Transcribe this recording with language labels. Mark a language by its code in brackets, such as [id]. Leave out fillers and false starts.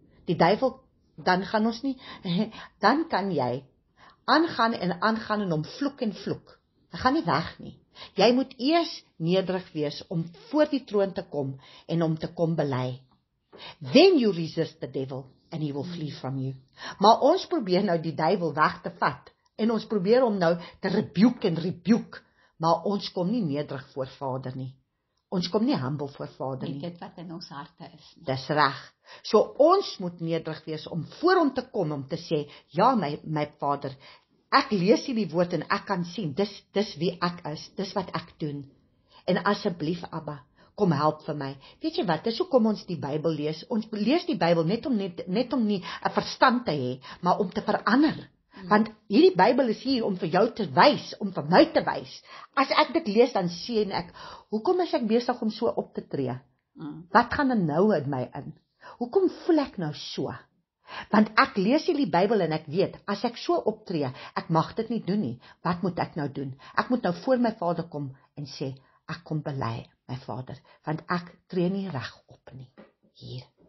[af] Die duivel, dan gaan ons nie, dan kan jy aangaan en aangaan en om vloek en vloek. Hy gaan nie weg nie. Jy moet eers nederig wees om voor die troon te kom en om te kom bely. [en] Then you resist the devil and he will flee from you. [af] Maar ons probeer nou die duivel weg te vat en ons probeer om nou te rebuke en rebuke, maar ons kom nie nederig voor Vader nie. Ons kom nie humble voor Vader nie. Met dit wat in ons harte is. Dis reg. So ons moet nederig wees om voor hom te kom, om te sê, ja my Vader, ek lees hierdie woord en ek kan sien, dis wie ek is, dis wat ek doen. En asseblief Abba, kom help vir my. Weet jy wat, dis hoe kom ons die Bybel lees. Ons lees die Bybel net om nie 'n verstand te hê, maar om te verander. Want hierdie Bybel is hier om vir jou te wys, om vir my te wys. As ek dit lees, dan sien ek, hoekom is ek besig om so op te tree? Wat gaan dan nou in my in? Hoekom voel ek nou so? Want ek lees hierdie Bybel en ek weet, as ek so optree, ek mag dit nie doen nie. Wat moet ek nou doen? Ek moet nou voor my Vader kom en sê, ek kom bely, my Vader, want ek tree nie reg op nie, hier.